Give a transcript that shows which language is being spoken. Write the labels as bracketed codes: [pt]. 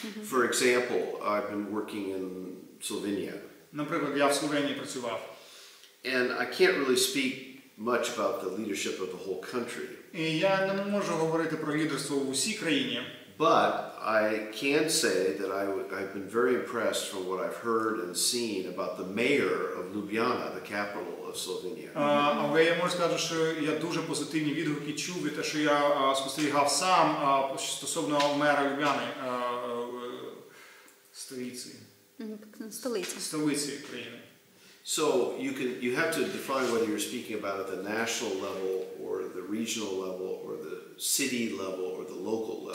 [en] For example, I've been working in Slovenia. [uk] Наприклад, я в Словенії працював. [en] And I can't really speak much about the leadership of the whole country. [uk] Я не можу говорити про лідерство в усій країні. [en] But I can say that I've been very impressed from what I've heard and seen about the mayor of Ljubljana, the capital of Slovenia. [uk] Але я можу сказати, що я дуже позитивні відгуки чув, і те, що я спостерігав сам стосовно мера Ljubljana, столиці країни. [en] So you have to define whether you're speaking about at the national level or the regional level or the city level or the local level.